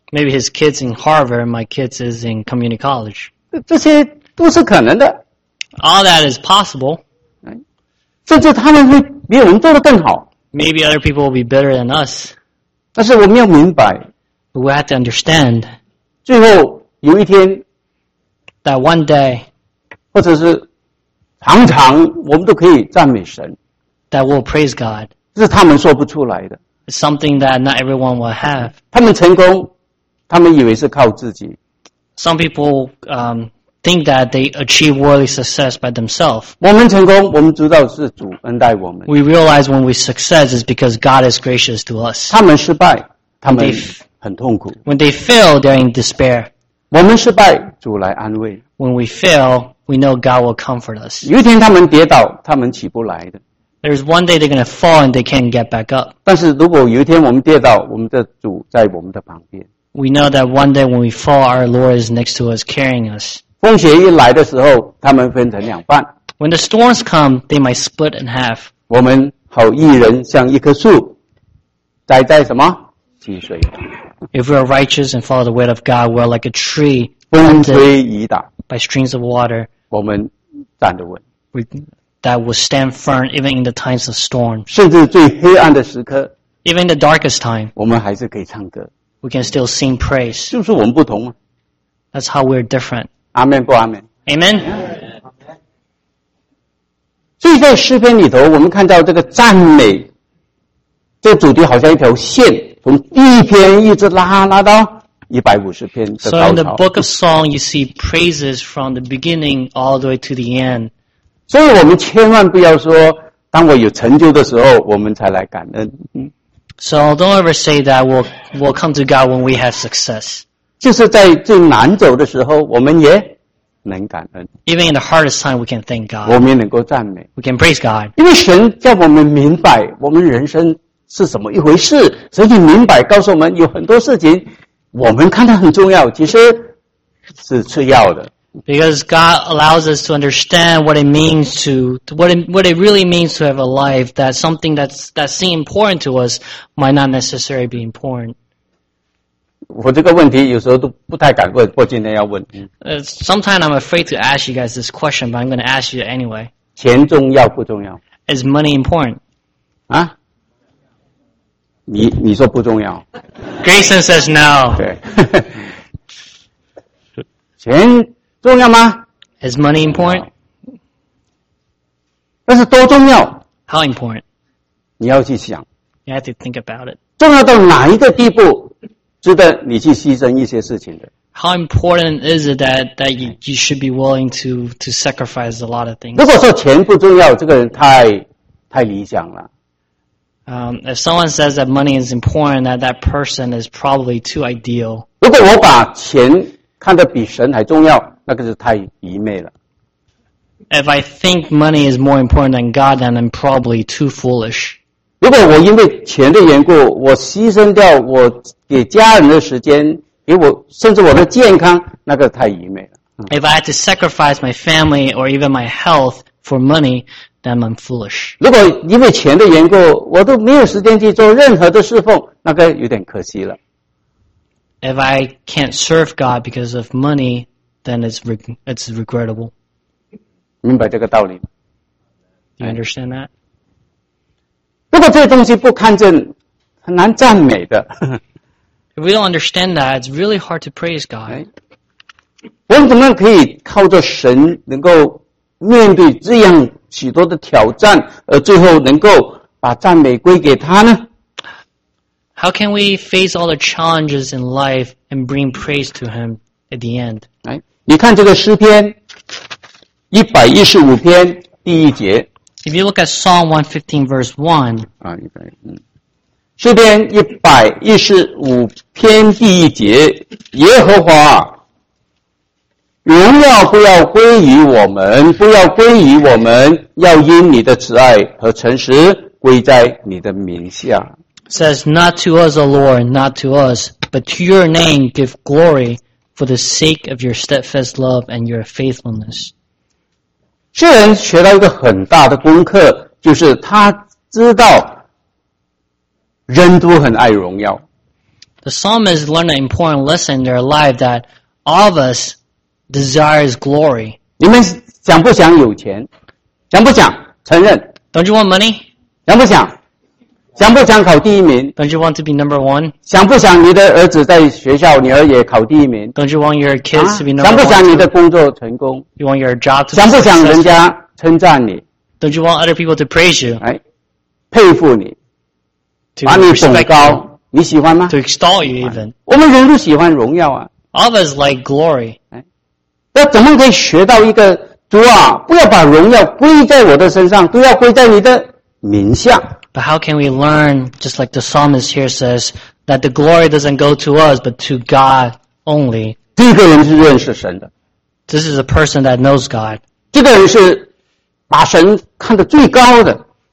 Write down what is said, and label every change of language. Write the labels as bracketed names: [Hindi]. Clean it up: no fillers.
[English] Maybe his kids in Harvard, my kids is in community college. [Chinese] 这些都是可能的。 [English] All that is possible. [Chinese] 甚至他们会比我们做得更好。 [English] Maybe other people will be better than us. [Chinese] 但是我们要明白。 [English] We have to understand. [Chinese] 最后有一天。 [English] That one day. [Chinese] 或者是常常我们都可以赞美神。 [English] That we'll praise God. [Chinese] 这是他们说不出来的。 [English] Something that not everyone will have. [Chinese] 他们成功，他们以为是靠自己。 [English] Some people think that they achieve worldly success by themselves. [Chinese] 我们成功，我们知道是主恩待我们。 [English] We realize when we success is because God is gracious to us. [Chinese] 他们失败，他们很痛苦。 [English] When they fail, they're in despair. [Chinese] 我们失败，主来安慰。 [English] When we fail, we know God will comfort us. [Chinese] 有一天他们跌倒，他们起不来的。 [English] There's one day they're going to fall and they can't get back up. [Chinese] 但是如果有一天我们跌倒，我们的主在我们的旁边。 [English] We know that one day when we fall, our Lord is next to us, carrying us. [Chinese] 风雪一来的时候，他们分成两半。 [English] When the storms come, they might split in half. [Chinese] 我们好一人像一棵树，栽在什么？溪水。 [English] If we are righteous and follow the will of God, we are like a tree. [Chinese] 风吹雨打。 [English] By streams of water. [Chinese] 我们站得稳。 [English] That will stand firm even in the times of storm. [Chinese] 甚至最黑暗的时刻。 [English] Even in the darkest time. [Chinese] 我们还是可以唱歌。 [English] We can still sing praise. [Chinese] 就是我们不同吗？ [English] That's how we're different. [Chinese] 阿们不阿们。 [English] Amen? Amen. [Chinese] 所以在诗篇里头，我们看到这个赞美，这主题好像一条线，从第一篇一直拉到150篇的高潮。 [English] So in the book of song, you see praises from the beginning all the way to the end. [Chinese] 所以我们千万不要说，当我有成就的时候，我们才来感恩。 [English] So don't ever say that we'll come to God when we have success. [Chinese] 就是在最难走的时候，我们也能感恩。 [English] Even in the hardest time, we can thank God. [Chinese] 我们也能够赞美。 [English] We can praise God. [Chinese] 因为神叫我们明白，我们人生是怎么一回事，神你明白告诉我们有很多事情我们看它很重要，其实是次要的。 [English] Because God allows us to understand what it means to, what it really means to have a life, that something that seems important to us might not necessarily be important. [Chinese] 我这个问题有时候都不太敢问，我今天要问。 [English] Sometimes I'm afraid to ask you guys this question, but I'm going to ask you anyway. [Chinese] 钱重要不重要？ [English] Is money important? [Chinese] 啊？你说不重要。 [English] Grayson says no. [Chinese] 对。钱重要吗？ [English] Is money important? [Chinese] 但是多重要？ [English] How important? [Chinese] 你要去想。 [English] You have to think about it. [Chinese] 重要到哪一个地步值得你去牺牲一些事情的？ [English] How important is it that you should be willing to sacrifice a lot of things? [Chinese] 如果说钱不重要，这个人太理想了。 [English] If someone says that money is important, that person is probably too ideal. [Chinese] 如果我把钱看得比神还重要，那个是太愚昧了。 [English] If I think money is more important than God, then I'm probably too foolish. [Chinese] 如果我因为钱的缘故，我牺牲掉我给家人的时间，给我甚至我的健康，那个太愚昧了。 [English] If I had to sacrifice my family or even my health for money, then I'm foolish. [Chinese] 如果因为钱的缘故，我都没有时间去做任何的侍奉，那个有点可惜了。 [English] If I can't serve God because of money, then it's regrettable. [Chinese] 明白这个道理吗？ [English] You understand that? [Chinese] 如果这东西不看见，很难赞美的。 [English] If we don't understand that, it's really hard to praise God. [Chinese] 我们怎么可以靠着神能够面对这样许多的挑战，而最后能够把赞美归给他呢？ [English] How can we face all the challenges in life and bring praise to Him at the end? [Chinese] 你看这个诗篇115篇第一节。 [English] If you look at Psalm 115 verse 1. [Chinese] 诗篇115篇第一节，耶和华，荣耀不要归于我们，不要归于我们，要因你的慈爱和诚实归在你的名下。 [English] Says, not to us, O Lord, not to us, but to your name give glory for the sake of your steadfast love and your faithfulness. [Chinese] 诗人学到一个很大的功课，就是他知道人都很爱荣耀。 [English] The psalmist learned an important lesson in their life that all of us desires glory. [Chinese] 你们想不想有钱？想不想？承认。 [English] Don't you want money? [Chinese] 想不想？想不想考第一名？ [English] Don't you want to be number one? [Chinese] 想不想你的儿子在学校，女儿也考第一名？ [English] Don't you want your kids to be number one? [Chinese] 想不想你的工作成功？ [English] You want your job to be successful? [Chinese] 想不想人家称赞你？ [English] Don't you want other people to praise you? [Chinese] 佩服你，把你捧高，你喜欢吗？ [English] To extol you even. [Chinese] 我们人都喜欢荣耀啊。 [English] Others like glory. [Chinese] 那怎么可以学到一个主啊？不要把荣耀归在我的身上，都要归在你的名下。 [English] But how can we learn, just like the psalmist here says, that the glory doesn't go to us, but to God only? [Chinese] 这个人是认识神的。 [English] This is a person that knows God. [Chinese] 这个人是把神看得最高的。